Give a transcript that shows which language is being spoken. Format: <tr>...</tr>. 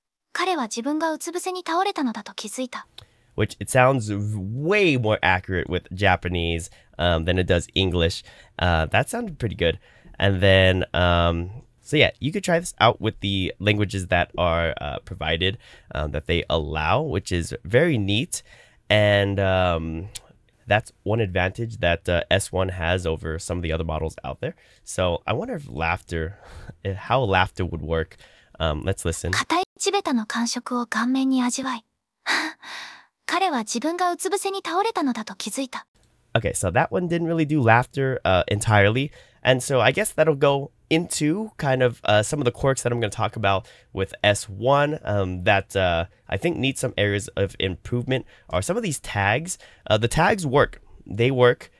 <ja>硬い地べたの感触を顔面に味わい、彼は自分がうつ伏せに倒れたのだと気づいた。</ja> <en>Which it sounds way more accurate with Japanese than it does English. That sounded pretty good. And then so yeah, you could try this out with the languages that are provided, that they allow, which is very neat. And that's one advantage that S1 has over some of the other models out there. So I wonder if how laughter would work. Let's listen.</en> <ja>地べたの感触を顔面に味わい、彼は自分がうつ伏せに倒れたのだと気づいた。</ja> <en>Okay, so that one didn't really do laughter entirely. And so I guess that'll go into kind of some of the quirks that I'm going to talk about with S1 I think need some areas of improvement are some of these tags. The tags work. They work.</en>